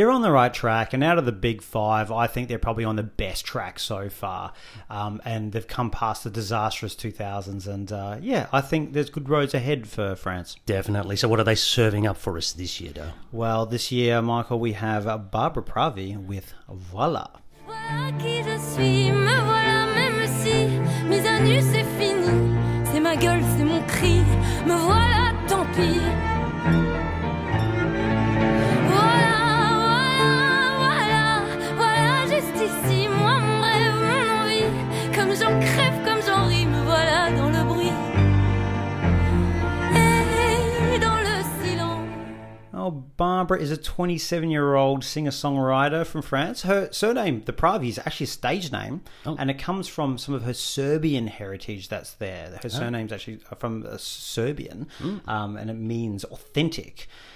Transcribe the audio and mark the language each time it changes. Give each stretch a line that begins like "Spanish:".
English: They're on the right track. And out of the big five, I think they're probably on the best track so far. And they've come past the disastrous 2000s. And I think there's good roads ahead for France. Definitely. So what are they serving up for us this year, though? Well, this year, Michael, we have Barbara Pravi with Voila.
French: Ma gueule, c'est mon cri, me voilà, tant pis. Voilà, voilà, voilà, voilà, juste ici, moi, mon rêve, mon envie. Comme j'en crève, comme j'en ris, me voilà dans le bruit. Et dans le silence.
English: Oh, Barbara is a 27-year-old singer-songwriter from France. Her surname, the Pravi, is actually a stage name, and it comes from some of her Serbian heritage that's there. Her surname's actually from Serbian, and it means authentic.